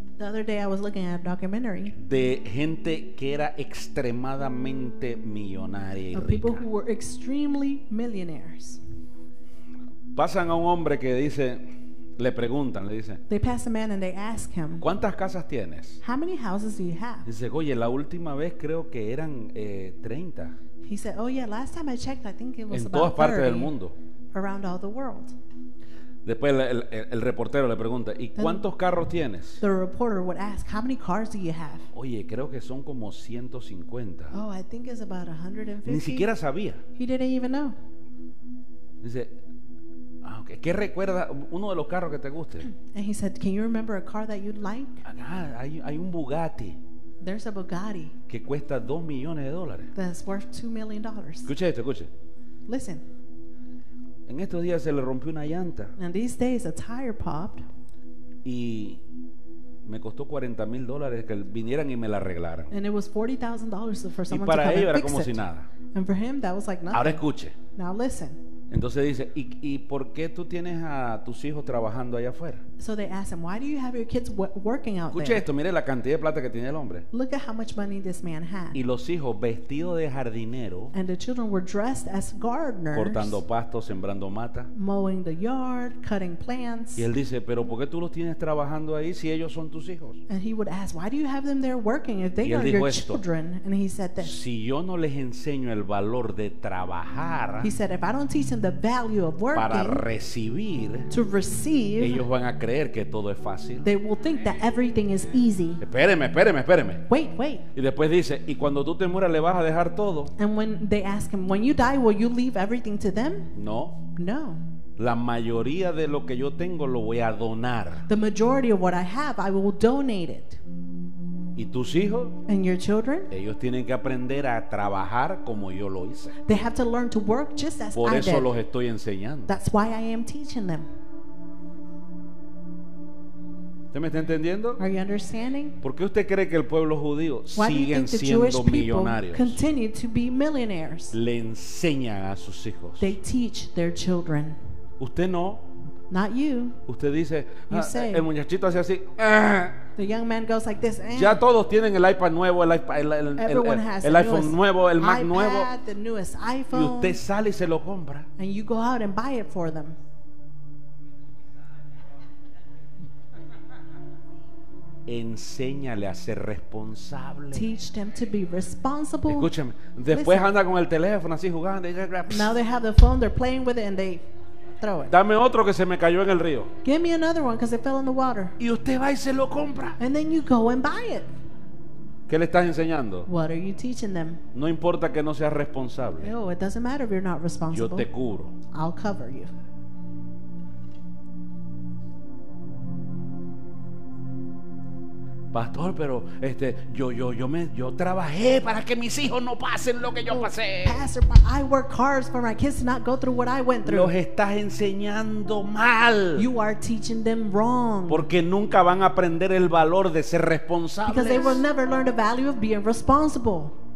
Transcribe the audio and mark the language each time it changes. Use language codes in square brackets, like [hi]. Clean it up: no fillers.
[en] The other day I was looking at a documentary. [es] De gente que era extremadamente millonaria y [en] rica. Of people who were extremely millionaires. [es] Pasan a un hombre que dice, le preguntan, le dicen. [en] They pass a man and they ask him. [es] ¿Cuántas casas tienes? [en] How many houses do you have? [es] Dice, oye, la última vez creo que eran 30. [en] He said, oh yeah, last time I checked, I think it was [es] en [en] about [es] todas partes del mundo. [en] Around all the world. [es] Después el reportero le pregunta, ¿y cuántos carros tienes? [en] The reporter would ask, how many cars do you have? [es] Oye, creo que son como 150. [en] Oh, I think it's about 150. [es] Ni siquiera sabía. [en] He didn't even know. [es] Dice, ah, okay. ¿Qué recuerda uno de los carros que te guste? [en] And he said, can you remember a car that you'd like? [es] Ah, hay un Bugatti. [en] There's a Bugatti. [es] Que cuesta $2 million. [en] That's worth $2 million. [es] Escuche esto, escuche. [en] Listen. [es] En estos días se le rompió una llanta. [en] And these days a tire popped. [es] Y me costó $40,000 que vinieran y me la arreglaran. [en] And it was $40,000 for someone to come. [es] Y para ellos era como [en] it. [es] Si nada. [en] And for him that was like nothing. [es] Ahora escuche. [en] Now listen. [es] Entonces dice, ¿y por qué tú tienes a tus hijos trabajando allá afuera? [en] So they ask him, why do you have your kids working out [es] escuche [en] there? [es] Escuche esto, mire la cantidad de plata que tiene el hombre. [en] Look at how much money this man had. [es] Y los hijos vestidos de jardinero. [en] And the children were dressed as gardeners. [es] Cortando pasto, sembrando mata. [en] Mowing the yard, cutting plants. [es] Y él dice, ¿pero por qué tú los tienes trabajando ahí si ellos son tus hijos? [en] And he would ask, why do you have them there working if they [es] y él [en] are [es] dijo [en] your [es] esto, [en] children? And he said this. [es] Si yo no les enseño el valor de trabajar. [en] He said, if I don't teach the value of working, [es] para recibir, [en] to receive, [es] ellos van a creer que todo es fácil. [en] They will think that everything is easy. [es] Espéreme, espéreme, espéreme. [en] Wait, wait. [es] Y después dice, y cuando tú te mueras le vas a dejar todo. [en] And when they ask him, when you die, will you leave everything to them? [es] No. [en] No. [es] La mayoría de lo que yo tengo lo voy a donar. [en] The majority of what I have, I will donate it. [es] ¿Y tus hijos? [en] And your children? [es] Ellos tienen que aprender a trabajar como yo lo hice. [en] They have to learn to work just as I did. [es] Por eso los estoy enseñando. [en] That's why I am teaching them. [es] ¿Usted me está entendiendo? [en] Are you understanding? [es] ¿Por qué usted cree que el pueblo judío siguen siendo millonarios? [en] Continue to be millionaires. [es] Le enseñan a sus hijos. [en] They teach their children. [es] ¿Usted no? [en] Not you. [es] Usted dice, [en] you say, [es] el muchachito hace así. [en] The young man goes like this. [es] Ya todos tienen el iPad nuevo, el iPhone nuevo, el Mac [en] iPad, [es] nuevo. [en] The newest iPhone. [es] Y usted sale y se lo compra. [en] And you go out and buy it for them. [es] Enséñale a ser responsable. [en] Teach them to be responsible. [es] Escúchame. Después listen. Anda con el teléfono así jugando. [en] Now they have the phone, they're playing with it and they throw it. [es] Dame otro que se me cayó en el río. [en] Give me another one because it fell in the water. [es] Y usted va y se lo compra. [en] And then you go and buy it. [es] ¿Qué le estás enseñando? [en] What are you teaching them? [es] No importa que no seas responsable. [en] No, it doesn't matter if you're not responsible. [es] Yo te cubro. [en] I'll cover you. [es] Pastor, pero yo trabajé para que mis hijos no pasen lo que yo pasé. [en] Pastor, I work hard for my kids to not go through what I went through. [es] Los estás enseñando mal. [en] You are teaching them wrong. [es] Porque nunca van a aprender el valor de ser responsables. [en] Because they will never learn the value of being responsible.